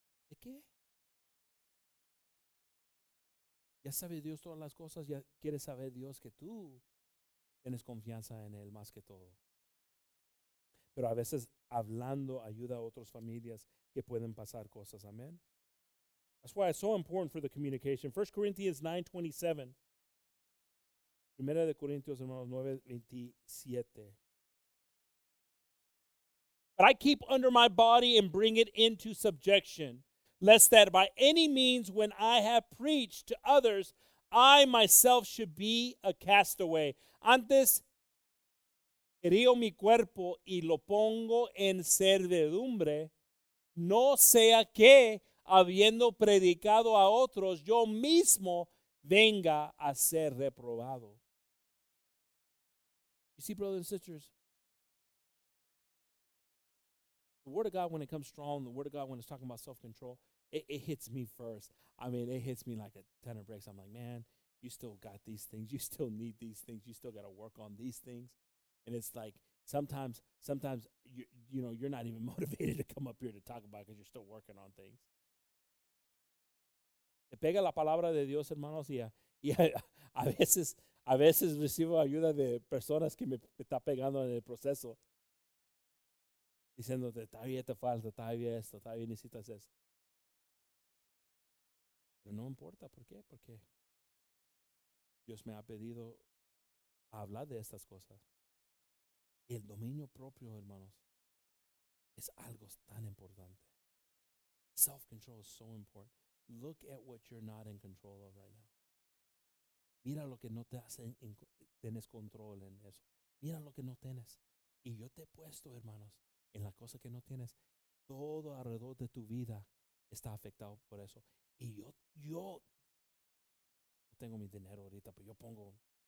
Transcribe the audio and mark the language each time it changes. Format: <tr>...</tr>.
<es>¿De qué? Ya sabe Dios todas las cosas, ya quiere saber Dios que tú tienes confianza en Él más que todo. Pero a veces hablando ayuda a otras familias que pueden pasar cosas. Amén.</es> <en>That's why it's so important for the communication. 1 Corinthians 9:27.</en> <es>Primera de Corintios, hermanos, 9:27.</es> <en>But I keep under my body and bring it into subjection, lest that by any means when I have preached to others, I myself should be a castaway.</en> <es>Antes, herido mi cuerpo y lo pongo en servidumbre, no sea que, habiendo predicado a otros, yo mismo venga a ser reprobado.</es> <en>You see, brothers and sisters, the Word of God, when it comes strong, the Word of God, when it's talking about self-control, it hits me first. I mean, it hits me like a ton of bricks. I'm like, man, you still got these things. You still need these things. You still got to work on these things. And it's like sometimes you know, you're not even motivated to come up here to talk about it because you're still working on things.</en> <es>Te pega la palabra de Dios, hermanos, y a veces recibo ayuda de personas que me está pegando en el proceso, diciéndote, todavía te falta, todavía esto, todavía necesitas esto. Pero no importa, ¿por qué? Porque Dios me ha pedido hablar de estas cosas. El dominio propio, hermanos, es algo tan importante.</es> <en>Self-control is so important. Look at what you're not in control of right now.</en> <es>Mira lo que no te hacen, tienes control en eso. Mira lo que no tienes. Y yo te he puesto, hermanos, en la cosa que no tienes. Todo alrededor de tu vida está afectado por eso. Y yo no tengo mi dinero ahorita, pero yo pongo...</es>